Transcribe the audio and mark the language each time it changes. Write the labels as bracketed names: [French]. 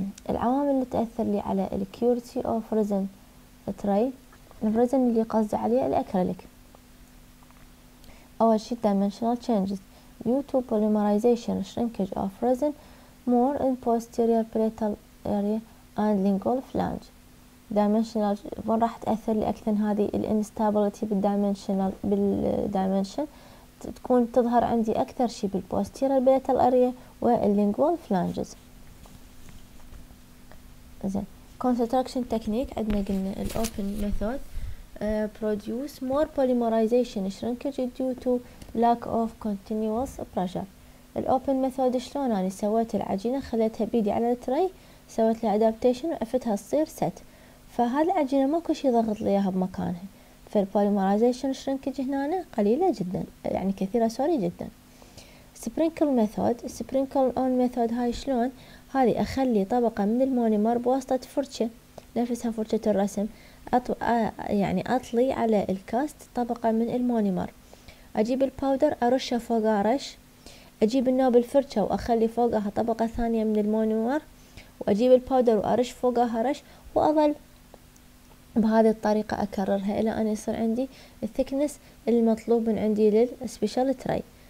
[Arabic] العوامل اللي تاثر لي على [English] الكيورتي of resin تري، الريزن [Arabic] اللي قصد عليه [English] الاكريليك، [Arabic] اول شيء [English] Dimensional changes due to polymerization shrinkage of resin more in posterior palatal area and lingual flange. [Arabic] dimensional وين راح تأثر لي أكثر؟ هذه ال instability بالdimensional بالdimension تكون تظهر عندي أكثر شيء بال [English] posterior palatal area [Arabic] وال [English] lingual flanges. زين construction technique [Arabic] عندنا قلنا ال [English] open method produce more polymerization shrinkage due to lack of continuous pressure. [Arabic] الاوبن ميثود شلون انا سويت العجينه، خليتها بيدي على التري، سويت لها ادابتيشن وعفتها تصير ست، فهذه العجينه ماكو شيء يضغط ليها بمكانها، فالبوليمرايزيشن شرينكج هنا قليله جدا، يعني كثيره سوري جدا. سبرينكل ميثود، سبرينكل اون ميثود هاي شلون؟ هذه اخلي طبقه من المونيمر بواسطه فرشه، نفسها فرشه الرسم، يعني اطلي على الكاست طبقه من المونيمر، اجيب الباودر ارشه فوق رش، اجيب النوب الفرشة واخلي فوقها طبقة ثانية من المونومر، واجيب الباودر وارش فوقها رش، واظل بهذه الطريقة اكررها الى ان يصير عندي الثيكنس المطلوب من عندي للسبيشال تري.